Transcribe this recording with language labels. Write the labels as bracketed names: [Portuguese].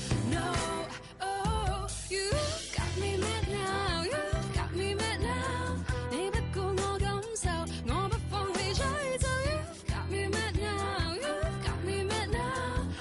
[English] No, oh, you got me mad now, you got me mad now. [Chinese] 你不顾我感受，我不放你追走。 [English] You got me mad now, you got me mad now.